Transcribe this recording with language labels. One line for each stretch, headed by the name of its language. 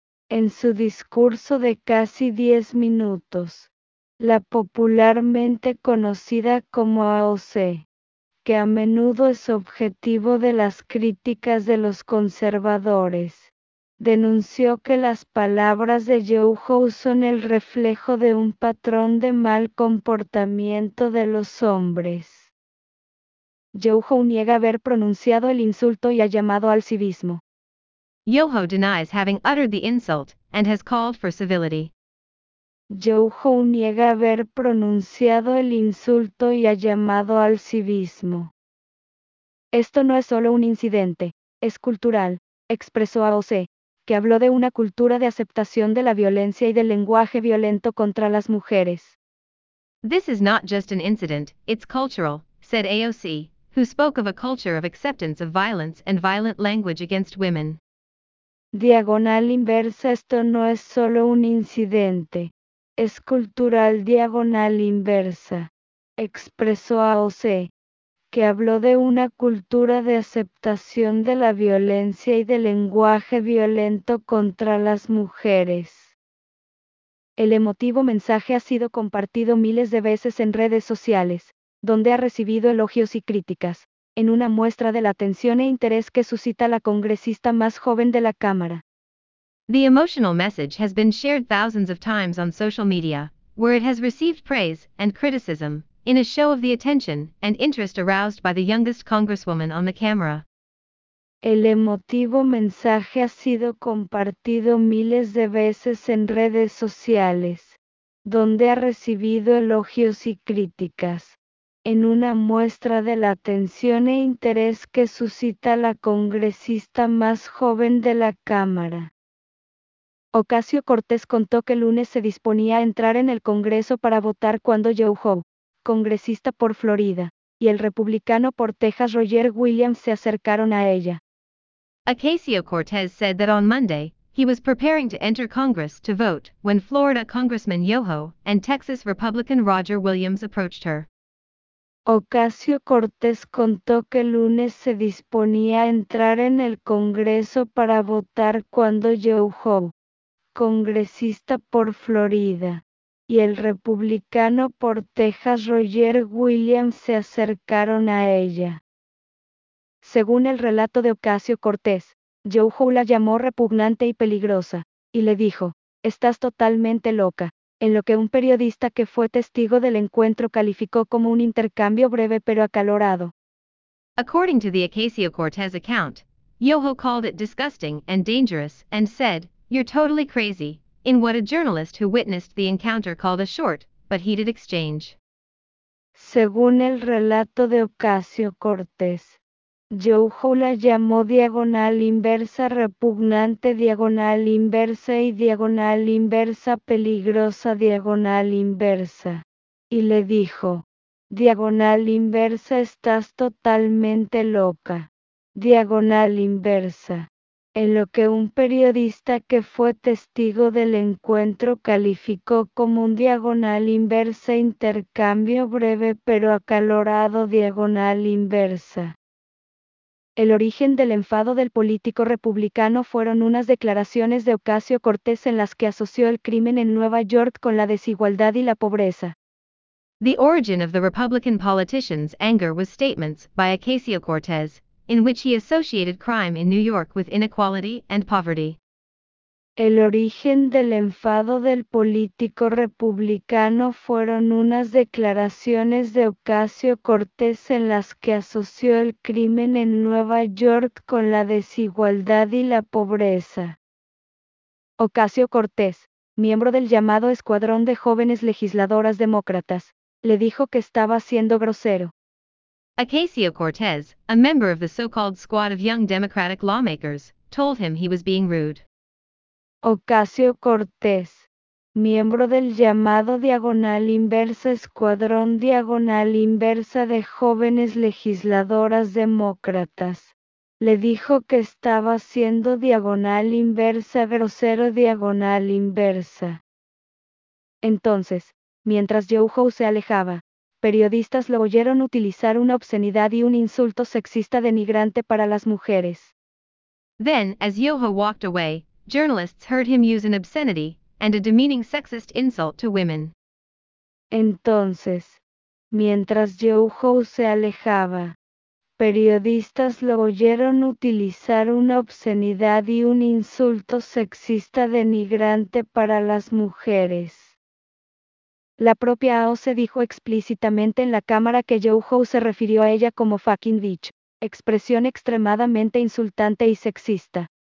Spanish: En su discurso de casi 10 minutos, la popularmente conocida como AOC, que a menudo es objetivo de las críticas de los conservadores, denunció que las palabras de Yoho son el reflejo de un patrón de mal comportamiento de los hombres. Yoho niega haber pronunciado el insulto y ha llamado al civismo.
English: Yoho denies having uttered the insult and has called for civility.
Spanish: Yoho niega haber pronunciado el insulto y ha llamado al civismo. Esto no es solo un incidente, es cultural, expresó AOC, que habló de una cultura de aceptación de la violencia y del lenguaje violento contra las mujeres.
English: This is not just an incident, it's cultural, said AOC, who spoke of a culture of acceptance of violence and violent language against women.
Spanish: Diagonal inversa, esto no es solo un incidente, es cultural diagonal inversa, expresó AOC, que habló de una cultura de aceptación de la violencia y del lenguaje violento contra las mujeres. El emotivo mensaje ha sido compartido miles de veces en redes sociales, donde ha recibido elogios y críticas, en una muestra de la atención e interés que suscita la congresista más joven de la Cámara.
English: The emotional message has been shared thousands of times on social media, where it has received praise and criticism, in a show of the attention and interest aroused by the youngest congresswoman on the camera.
Spanish: El emotivo mensaje ha sido compartido miles de veces en redes sociales, donde ha recibido elogios y críticas, en una muestra de la atención e interés que suscita la congresista más joven de la Cámara. Ocasio-Cortez contó que el lunes se disponía a entrar en el Congreso para votar cuando Yoho, congresista por Florida, y el republicano por Texas Roger Williams se acercaron a ella.
English: Ocasio-Cortez said that on Monday, he was preparing to enter Congress to vote when Florida Congressman Yoho and Texas Republican Roger Williams approached her.
Spanish: Ocasio Cortés contó que el lunes se disponía a entrar en el Congreso para votar cuando Joe Hoe, congresista por Florida, y el republicano por Texas Roger Williams se acercaron a ella. Según el relato de Ocasio Cortés, Joe Hoe la llamó repugnante y peligrosa, y le dijo, «Estás totalmente loca», en lo que un periodista que fue testigo del encuentro calificó como un intercambio breve pero acalorado.
English: According to the Ocasio-Cortez account, Yoho called it disgusting and dangerous and said, "You're totally crazy," in what a journalist who witnessed the encounter called a short but heated exchange.
Spanish: Según el relato de Ocasio-Cortez, Yoho la llamó diagonal inversa repugnante diagonal inversa y diagonal inversa peligrosa diagonal inversa. Y le dijo, diagonal inversa estás totalmente loca. Diagonal inversa. En lo que un periodista que fue testigo del encuentro calificó como un diagonal inversa intercambio breve pero acalorado diagonal inversa. El origen del enfado del político republicano fueron unas declaraciones de Ocasio Cortés en las que asoció el crimen en Nueva York con la desigualdad y la pobreza.
English: The origin of the Republican politician's anger was statements by Ocasio Cortez, in which he associated crime in New York with inequality and poverty.
Spanish: El origen del enfado del político republicano fueron unas declaraciones de Ocasio Cortez en las que asoció el crimen en Nueva York con la desigualdad y la pobreza. Ocasio Cortez, miembro del llamado Escuadrón de Jóvenes Legisladoras Demócratas, le dijo que estaba siendo grosero.
English: Ocasio Cortez, a member of the so-called Squad of Young Democratic Lawmakers, told him he was being rude.
Spanish: Ocasio Cortez, miembro del llamado Diagonal Inversa Escuadrón Diagonal Inversa de Jóvenes Legisladoras Demócratas, le dijo que estaba siendo diagonal inversa grosero diagonal inversa. Entonces, mientras Joe Hoe se alejaba, periodistas lo oyeron utilizar una obscenidad y un insulto sexista denigrante para las mujeres.
English: Then, as Joe Hoe walked away, journalists heard him use an obscenity and a demeaning sexist insult to women.
Spanish: Entonces, mientras Joe Hoe se alejaba, periodistas lo oyeron utilizar una obscenidad y un insulto sexista denigrante para las mujeres. La propia AOC dijo explícitamente en la cámara que Joe Hoe se refirió a ella como
English: fucking bitch,
Spanish: expresión extremadamente insultante y sexista.